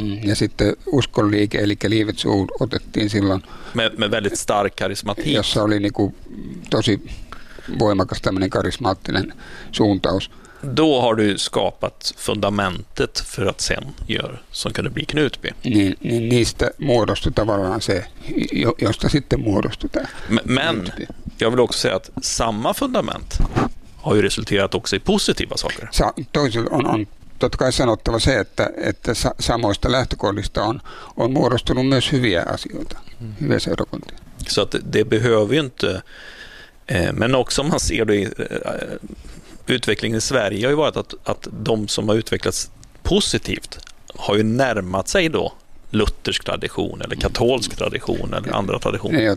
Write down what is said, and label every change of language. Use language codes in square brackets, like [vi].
[fi] Ja sitten uskonliike, eli livets ord, otettiin silloin. [sv] Med väldigt stark karismatik. [fi] Jossa oli niinku tosi voimakas tämmöinen karismaattinen suuntaus. [sv] Då har du skapat fundamentet för att sen göra som kunde bli Knutby. [fi] Niin, niistä muodostui tavallaan se, josta sitten muodostui tämä. [sv] Men jag vill också säga att samma fundament har ju resulterat också i positiva saker. [fi] On totta kai sanottava se, että samoista lähtökohdista on muodostunut myös hyviä asioita, hyviä seurakuntia. [sv] Så att det behöver ju inte, men också man ser det i utvecklingen i Sverige har ju varit att de som har utvecklats positivt har ju närmat sig då luthersk tradition eller katolsk tradition eller andra traditioner.